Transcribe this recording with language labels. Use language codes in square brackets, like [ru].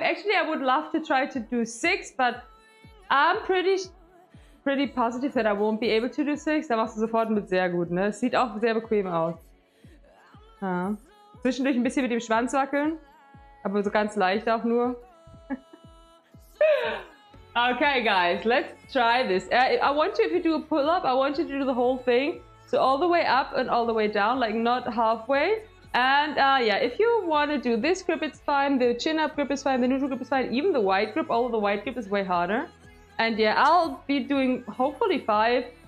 [en] Actually, I would love to try to do 6, but I'm pretty positive that I won't be able to do 6. [de] Da machst du sofort mit sehr gut, ne? Sieht auch sehr bequem aus. Ja. Zwischendurch ein bisschen mit dem Schwanz wackeln, aber so ganz leicht auch nur. [en] Okay, guys, let's try this. I want you, if you do a pull-up, I want you to do the whole thing. So all the way up and all the way down, like not halfway. And yeah, if you want to do this grip, it's fine. The chin-up grip is fine. The neutral grip is fine. Even the wide grip, although the wide grip is way harder. And yeah, I'll be doing hopefully 5.